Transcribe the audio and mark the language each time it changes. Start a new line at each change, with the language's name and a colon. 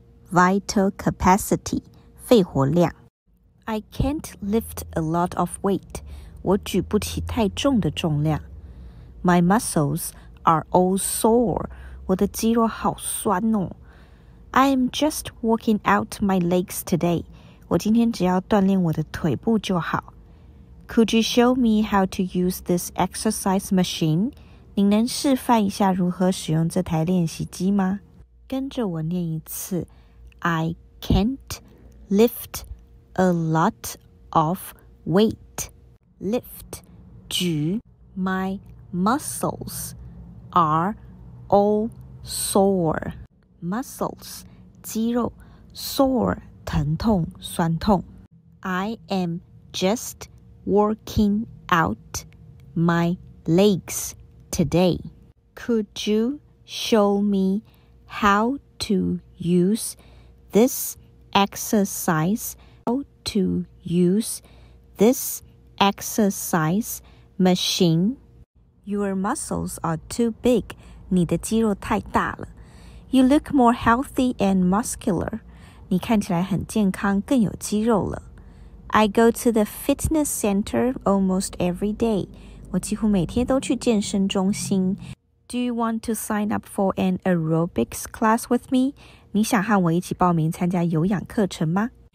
English: Vital capacity
Chinese: 肺活量
English: I can't lift a lot of weight
Chinese: 我举不起太重的重量
English: My muscles are all sore
Chinese: 我的肌肉好酸哦。
English: I am just working out my legs today.
Chinese: 我今天只要锻炼我的腿部就好。
English: Could you show me how to use this exercise machine?
Chinese: 你能示范一下如何使用这台练习机吗？跟着我念一次。
English: I can't lift a lot of weight. Lift, 举。My muscles are... All sore muscles, 肌肉 sore,
Chinese: 疼痛酸痛
English: I am just working out my legs today. Could you show me how to use this exercise? How to use this exercise machine? Your muscles are too big.
Chinese: 你的肌肉太大了。
English: You look more healthy and muscular.
Chinese: 你看起来很健康，更有肌肉了。
English: I go to the fitness center almost every day.
Chinese: 我几乎每天都去健身中心。
English: Do you want to sign up for an aerobics class with me?
Chinese: 你想和我一起报名参加有氧课程吗？